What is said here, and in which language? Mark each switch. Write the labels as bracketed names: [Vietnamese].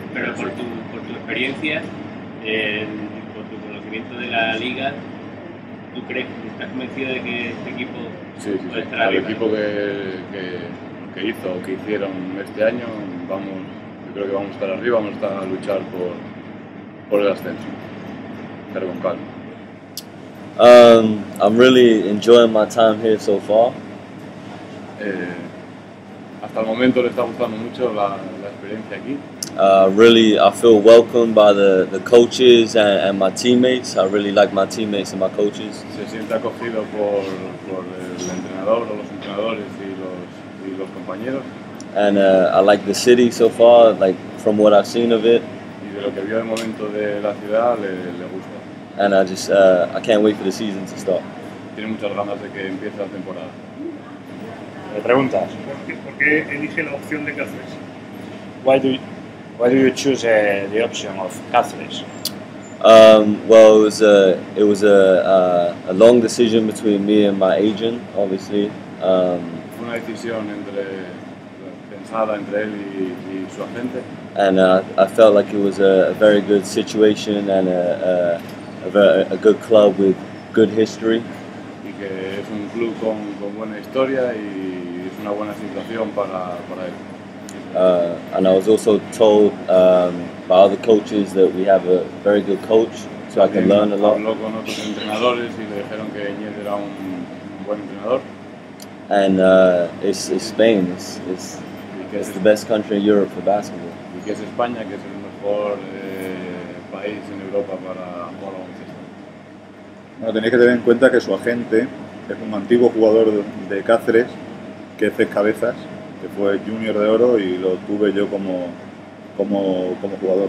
[Spanish] Pero por tu experiencia, de la liga, ¿tú crees, estás convencido de que este equipo? Sí, el equipo que hizo o que hicieron este año, vamos, yo creo que vamos a estar arriba, vamos a estar a luchar por el ascenso, pero con calma. [English] I'm really enjoying my time here so far. [Spanish] Hasta el momento le está gustando mucho la experiencia aquí. [English] Really, I feel welcomed by the coaches and my teammates. I really like my teammates and my coaches. [Spanish] Se siente acogido por el entrenador o los entrenadores y los compañeros. [English] And I like the city so far, like from what I've seen of it. [Spanish] Y de lo que vio de momento de la ciudad le gusta. [English] And I just I can't wait for the season to start. [Spanish] Tiene muchas ganas de que empiece la temporada. ¿Me preguntas? ¿Por qué elige la opción de Cáceres? [English] Why do you choose the option of Cáceres? Well, it was a long decision between me and my agent, obviously. [Spanish] Una decisión entre conversada entre él y su agente. [English] And I felt like it was a very good situation and a good club with good history. [Spanish] Y que es un club con buena historia y es una buena situación para él. [English] And I was also told by other coaches that we have a very good coach, so I can learn a lot. [Spanish] Habló con otros entrenadores y le dijeron que Iñez era un buen entrenador. [English] And it's Spain. It's the best country in Europe for basketball. [Spanish] Y que es España, que es el mejor país en Europa para jugar baloncesto. Bueno, tenéis que tener en cuenta que su agente es un antiguo jugador de Cáceres, que es Cés Cabezas, que fue Junior de Oro y lo tuve yo como jugador.